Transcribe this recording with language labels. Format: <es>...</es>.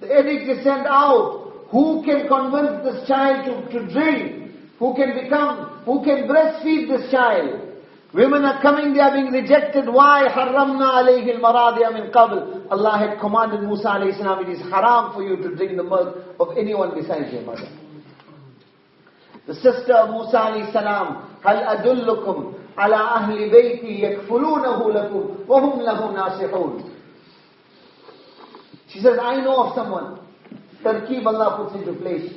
<en>The edict is sent out. Who can convince this child to drink? Who can breastfeed this child? Women are coming, they are being rejected. Why?</en> <ar>حَرَّمْنَا عَلَيْهِ الْمَرَاضِيَ مِنْ قَبْلِ.</ar> <en>Allah had commanded Musa alayhi salam, it is haram for you to drink the milk of anyone besides your mother. The sister of Musa alayhi salam,</en> <ar>هَلْ أَدُلُّكُمْ عَلَىٰ أَهْلِ بَيْتِي يَكْفُلُونَهُ لَكُمْ وَهُمْ لَهُ نَاسِحُونَ.</ar> <en>She says, I know of someone. Tarkeeb Allah puts into place.</en>